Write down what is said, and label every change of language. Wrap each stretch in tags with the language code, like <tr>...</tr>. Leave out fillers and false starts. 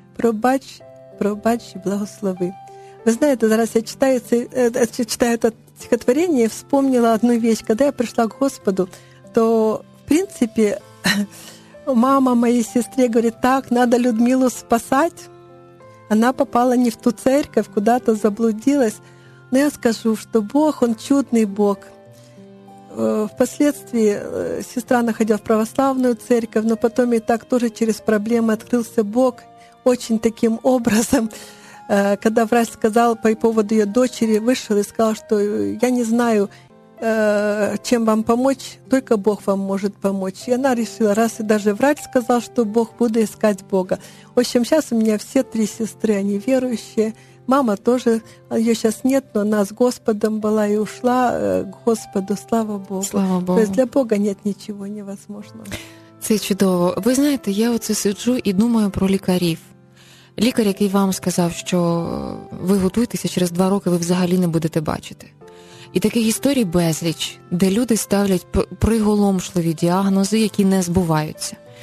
<uk>Пробач, пробач і благослови. Ви знаєте, зараз я читаю це стихотворення і вспомнила одну вещь. Коли я прийшла к Господу, то, в принципі, мама моїй сестрі говорить, так, треба Людмилу спасати. Вона попала не в ту церковь, куди-то заблудилась. Но я скажу, что Бог, Он чудный Бог.</uk> <ru>Впоследствии сестра находила в православную церковь, но потом и так тоже через проблемы открылся Бог. Очень таким образом, когда врач сказал по поводу ее дочери, вышел и сказал, что я не знаю, чем вам помочь, только Бог вам может помочь. И она решила, раз и даже врач сказал, что Бог, буду искать Бога. В общем, сейчас у меня все три сестры, они верующие. Мама тоже, ее сейчас нет, но она с Господом была и ушла к Господу, слава Богу. Слава Богу. То есть для Бога нет ничего невозможного.</ru> <uk>Це чудово. Ви знаєте, я оце сиджу і думаю про лікарів. Лікар, який вам сказав, що ви готуєтеся, через два роки ви взагалі не будете бачити. І таких історій безліч, де люди ставлять приголомшливі діагнози, які не збуваються.</uk>